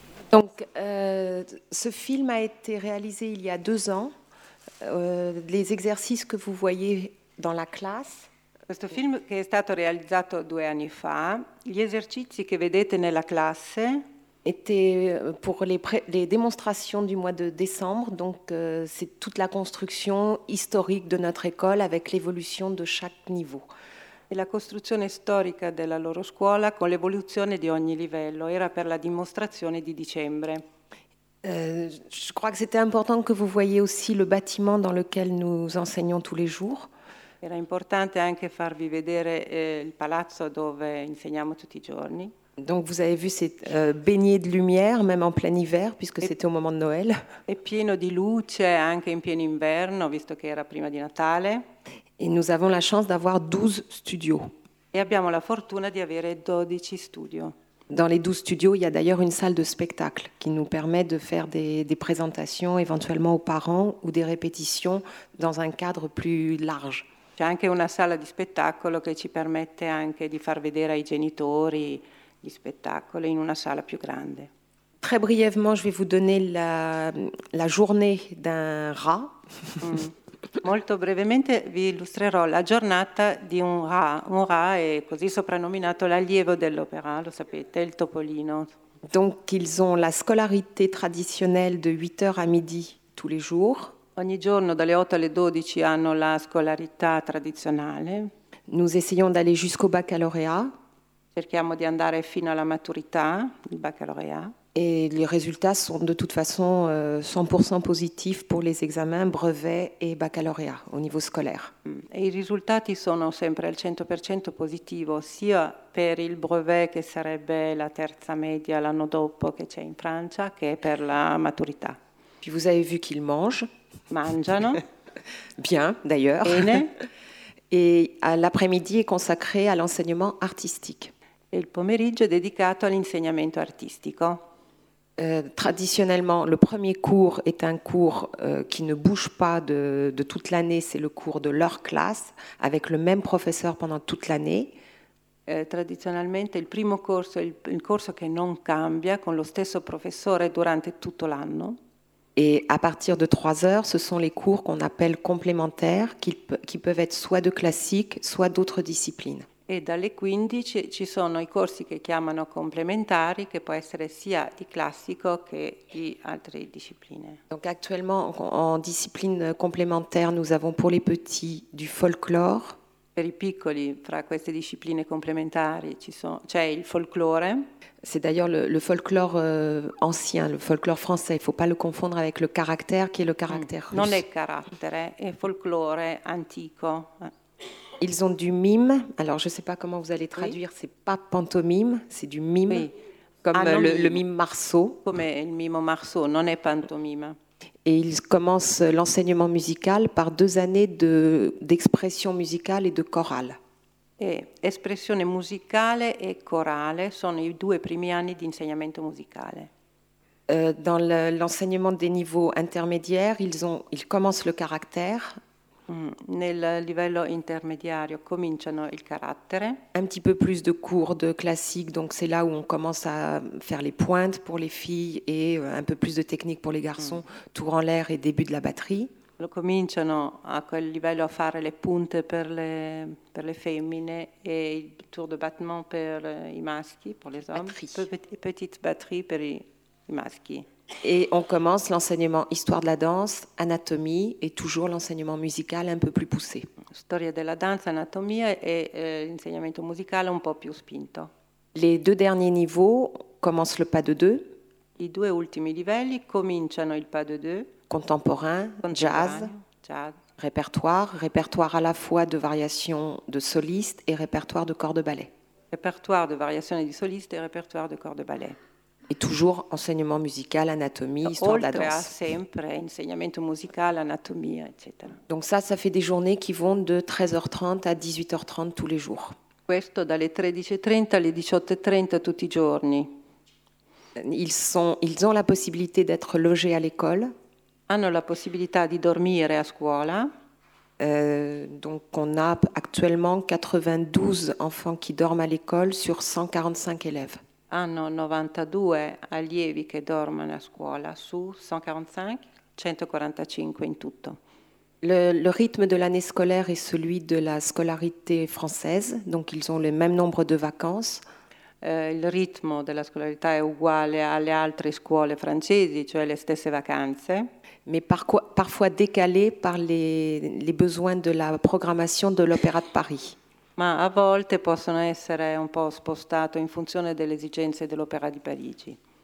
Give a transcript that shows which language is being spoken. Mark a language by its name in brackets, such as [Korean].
[French] Donc, ce film a été réalisé il y a 2 ans. Les exercices que vous voyez dans la classe. [Italian] Questo film che è stato realizzato 2 anni fa, gli esercizi che vedete nella classe [French] étaient pour les démonstrations du mois de décembre, donc c'est toute la construction historique de notre école avec l'évolution de chaque niveau. [Italian] E la costruzione storica della loro scuola con l'evoluzione di ogni livello era per la dimostrazione di dicembre. [French] Je crois que c'était important que vous voyiez aussi le bâtiment dans lequel nous enseignons tous les jours. [Italian] Era importante anche farvi vedere il palazzo dove insegniamo tutti i giorni. [French] Donc vous avez vu cette baignée de lumière même en plein hiver puisque c'était au moment de Noël. [Italian] È pieno di luce anche in pieno inverno visto che era prima di Natale. [French] Et nous avons la chance d'avoir 12 studios. [Italian] E abbiamo la fortuna di avere 12 studio. [French] Dans les 12 studios, il y a d'ailleurs une salle de spectacle qui nous permet de faire des présentations éventuellement aux parents ou des répétitions dans un cadre plus large. [Italian] C'è anche una sala di spettacolo che ci permette anche di far vedere ai genitori gli spettacoli in una sala più grande. [French] Très brièvement, je vais vous donner la journée d'un rat. [Italian] Molto brevemente vi illustrerò la giornata di un ra. Un ra è così soprannominato l'allievo dell'opera, lo sapete, il topolino. [French] Donc ils ont la scolarité traditionnelle de 8h à midi tous les jours. [Italian] Ogni giorno dalle 8 alle 12 hanno la scolarità tradizionale. [French] Nous essayons d'aller jusqu'au baccalauréat. [Italian] Cerchiamo di andare fino alla maturità, il baccalauréat. [French] Et les résultats sont de toute façon 100% positifs pour les examens brevet et baccalauréat au niveau scolaire. [Italian] Et i risultati sono sempre al 100% positivo sia per il brevet che sarebbe la terza media l'anno dopo che c'è in Francia che per la maturità. [French] Puis vous avez vu qu'ils mangent. [Italian] Mangiano. [French] Bien d'ailleurs. [Italian] Bene. [French] Et l'après-midi est consacré à l'enseignement artistique. [Italian] E il pomeriggio è dedicato all'insegnamento artistico. [French] Traditionnellement, le premier cours est un cours qui ne bouge pas de toute l'année, c'est le cours de leur classe, avec le même professeur pendant toute l'année. Traditionnellement, le [Italian] primo corso è il corso che non cambia, con lo stesso professore durante tutto l'anno. [French] Et à partir de 3 heures, ce sont les cours qu'on appelle complémentaires, qui peuvent être soit de classique, soit d'autres disciplines. [Italian] E dalle 15 ci sono i corsi che chiamano complementari, che può essere sia di classico che di altre discipline. [French] Donc actuellement en discipline complémentaire nous avons pour les petits du folklore. [Italian] Per i piccoli fra queste discipline complementari c'è il folklore. [French] C'est d'ailleurs le folklore ancien, le folklore français, il faut pas le confondre avec le caractère qui est le caractère russe. [Italian] Non è carattere, è folklore antico. [French] Ils ont du mime, alors je ne sais pas comment vous allez traduire, oui. C'est pas pantomime, c'est du mime, oui. Comme le mime Marceau. Comme le mime Marceau, [Italian] non è pantomime. [French] Et ils commencent l'enseignement musical par 2 années d'expression musicale et de chorale. [Italian] Et espressione musicale e corale sono i 2 primi anni di insegnamento musicale. [French] Dans l'enseignement des niveaux intermédiaires, ils commencent le caractère. [Italian] Nel livello intermediario cominciano il carattere. [French] Un petit peu plus de cours de classique, donc c'est là où on commence à faire les pointes pour les filles et un peu plus de technique pour les garçons, tour en l'air et début de la batterie. [Italian] Lo cominciano a quel livello a fare le punte per le femmine e il tour de battement per i maschi, per [French] les hommes. [Italian] Petite batterie per i maschi. [French] Et on commence l'enseignement histoire de la danse, anatomie et toujours l'enseignement musical un peu plus poussé. [Italian] Storia della danza, anatomia e insegnamento musicale un po' più spinto. [French] Les 2 derniers niveaux commencent le pas de deux. [Italian] I 2 ultimi livelli cominciano il pas de deux. [French] Contemporain, jazz, répertoire à la fois de variations de solistes et répertoire de corps de ballet. Répertoire de variations de solistes et répertoire de corps de ballet. Et toujours enseignement musical, anatomie, histoire de la danse. [Italian] Sempre insegnamento musicale, anatomia, eccetera. [French] Donc ça fait des journées qui vont de 13h30 à 18h30 tous les jours. [Italian] Questo dalle 13:30 alle 18:30 tutti i giorni. [French] Ils ont la possibilité d'être logés à l'école. [Italian] Hanno la possibilità di dormire a scuola. [French] Donc on a actuellement 92 enfants qui dorment à l'école sur 145 élèves. [Italian] Hanno 92 allievi che dormono a scuola su 145, 145 in tutto. [French] Le rythme de l'année scolaire est celui de la scolarité française, donc ils ont le même nombre de vacances. [Italian] Il ritmo della scolarità è uguale alle altre scuole francesi, cioè le stesse vacanze. [French] Mais parfois décalé par les besoins de la programmation de l'Opéra de Paris. [Italian] Ma a volte possono essere un po' spostato in funzione delle esigenze dell'Opéra di Parigi.